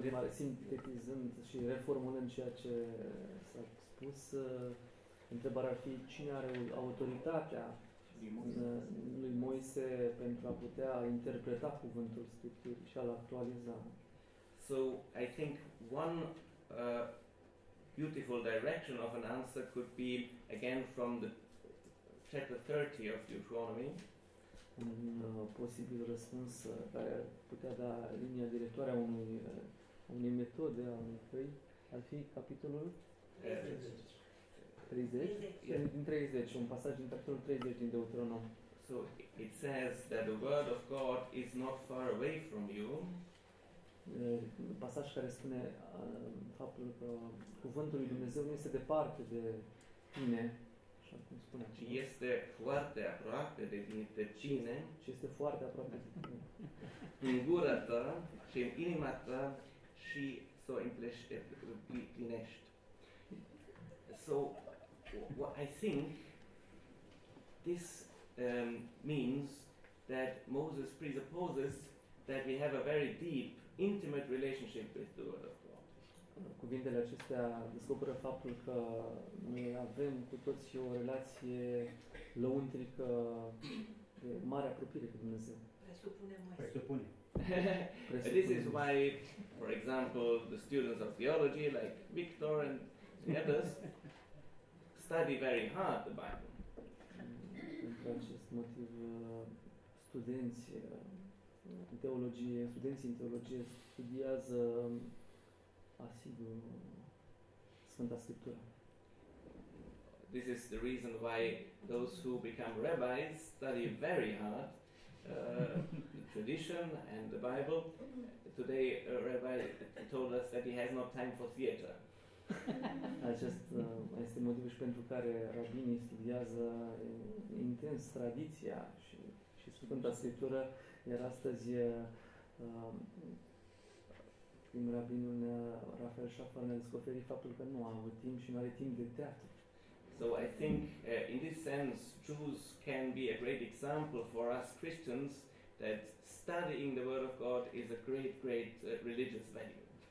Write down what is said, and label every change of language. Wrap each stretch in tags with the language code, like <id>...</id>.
<ro>sintetizând și reformulând ceea ce s-a spus, întrebarea ar fi cine are autoritatea lui Moise pentru a putea interpreta cuvântul Scripturii și a-l actualiza.</ro> <en>So, I think one beautiful direction of an answer could be again from the chapter 30 of Deuteronomy.</en> <ro>Un posibil răspuns care ar putea da linia directoare a unei metode, a unui căi, ar fi capitolul 30. Din 30, un pasaj din capitolul 30 din Deuteronom.</ro> <en>So, it says that the word of God is not far away from you.</en> <ro>Pasaj care spune faptul că cuvântul lui Dumnezeu nu este departe de tine. Ci este foarte aproape de cine, ci este foarte aproape de tine. În gura ta și în inima ta și să o împlinești.</ro> <en>So, what I think this means that Moses presupposes that we have a very deep, intimate relationship with the Word of God.</en> <ro>Cuvintele acestea descoperă faptul că noi avem cu toții o relație lăuntrică de mare apropiere cu Dumnezeu. Presupune.</ro> <en>This is why, for example, the students of theology like Victor and the others study very hard the Bible.</en> <ro>Pentru acest motiv, studenții în teologie, studenții în teologie studiază asidu Sfânta Scriptură.</ro> <en>This is the reason why those who become rabbis study very hard tradition and the Bible. Today, a rabbi told us that he has not time for theater.</en> <ro>Acest este motivul și pentru care rabinii studiază intens tradiția și, și Sfânta Scriptură, iar astăzi prim rabinul Rafael Schaffer ne-a descoperit faptul că nu a avut timp și nu are timp de teatru.</ro> <en>So I think in this sense Jews can be a great example for us Christians that studying the Word of God is a great, great religious value.</en>